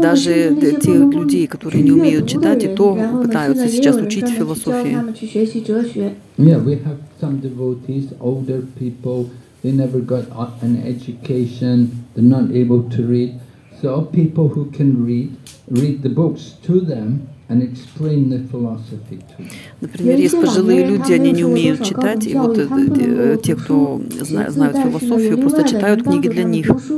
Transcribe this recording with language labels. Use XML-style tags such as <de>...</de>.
<ru>Даже те люди, которые не умеют читать, и то пытаются сейчас учить философии.</ru> <en>Yeah, we have some devotees, older people, they never got an education, they're not able to read. So people who can read, read the books to them and explain the philosophy to them.</en> <ru>Например, есть пожилые люди, они не умеют читать, и вот те, кто знают философию, просто читают книги для них.</ru>